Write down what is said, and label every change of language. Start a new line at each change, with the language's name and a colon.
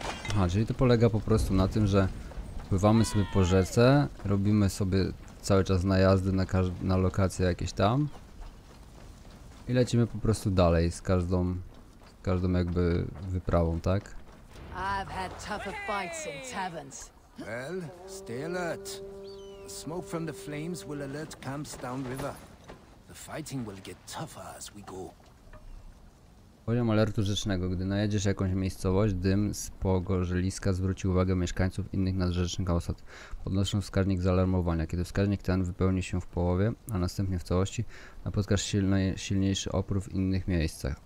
Polish: Aha, czyli to polega po prostu na tym, że pływamy sobie po rzece, robimy sobie cały czas najazdy na lokacje jakieś tam i lecimy po prostu dalej z każdą jakby wyprawą, tak?
English: I've had tougher fights in taverns. Well, stay alert. The smoke from the flames will alert camps downriver. The fighting will get tougher as we go.
Polish: Poziom alertu rzecznego. Gdy najedziesz jakąś miejscowość, dym z pogorzeliska zwróci uwagę mieszkańców innych nadrzecznych osad, podnosząc wskaźnik zaalarmowania. Kiedy wskaźnik ten wypełni się w połowie, a następnie w całości, napotkasz silniejszy opór w innych miejscach.